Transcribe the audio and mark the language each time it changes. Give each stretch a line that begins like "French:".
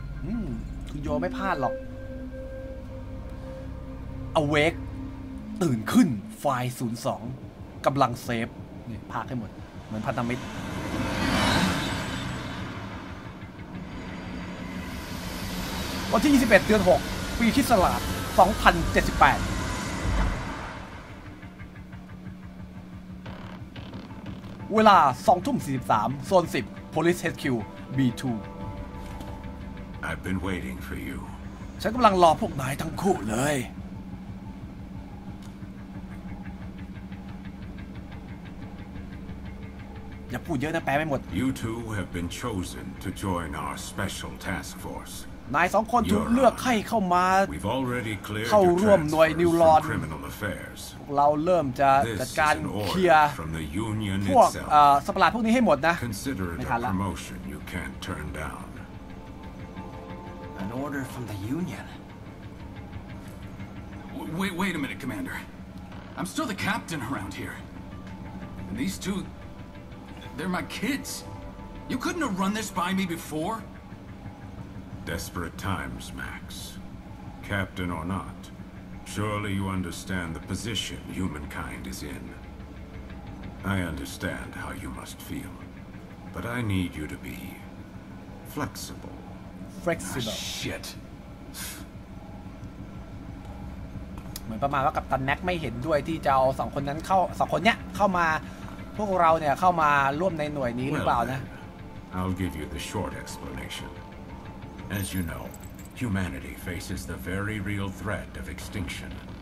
Thai: อโยไม่พลาดหรอก Awake ตื่นขึ้นไฟ02กำลังเซฟนี่พากให้หมดเหมือนพันธมิตรวันที่21เดือน6ปีคริสต์ศักราช2078เวลา 2:43 โซน 10 Police HQ B2
English: I've been waiting for you
Thai: ฉันกำลังรอพวกนายทั้งคู่เลยอย่าพูดเยอะนะแปลไม่หมด
English: You two have been chosen to join our special task force
Thai: นาย2คนถูกเลือกให้เข้ามาเข้าร่วมหน่วยนิวรอนเราเริ่มจะจัดการเคลียร์พวกสปาร์ลาดพวกนี้ให้หมดนะไม่ทันละ
English: promotion you can't turn down an order from the union wait a minute commander I'm still the captain around here and these two they're my kids you couldn't have run this by me before Desperate times, Max. Captain or not, surely you understand the position humankind is in. I understand how you must feel, but I need you to be flexible. Flexible. Ah, shit.
Thai: เหมือนประมาณว่ากัปตันแม็กไม่เห็นด้วยที่จะเอาสองคนนั้นเข้าสองคนเนี้ยเข้ามาพวกเราเนี่ยเข้ามาร่วมในหน่วยนี้หรือเปล่านะ
English: I'll give you the short explanation. As you know, humanity faces the very real threat of extinction.